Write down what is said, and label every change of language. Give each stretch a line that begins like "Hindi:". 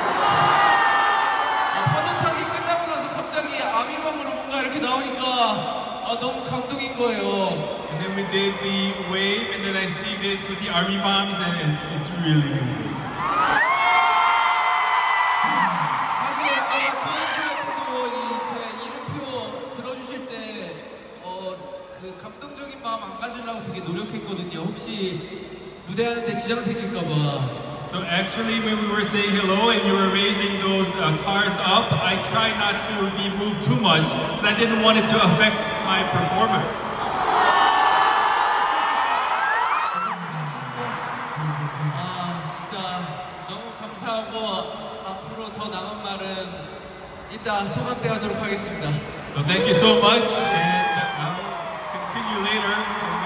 Korean: 파도타기 끝나고 나서 갑자기 아미밤으로 뭔가 이렇게 나오니까 아 너무 감동인 거예요.
English: And then we did the wave, and then I see this with the army bombs, and it's really moving.
Korean: 사실 아까 지인분들도 이 제 이름표 들어주실 때 어 그 감동적인 마음 안 가지려고 되게 노력했거든요. 혹시 무대하는데 지장 생길까봐.
English: So actually, when we were saying hello and you were raising those cards up, I tried not to be moved too much because I didn't want it to affect my performance.
Korean: 아 진짜 너무 감사하고 앞으로 더 남은 말은 이따 소감 때 하도록 하겠습니다.
English: So thank you so much, and I'll continue later.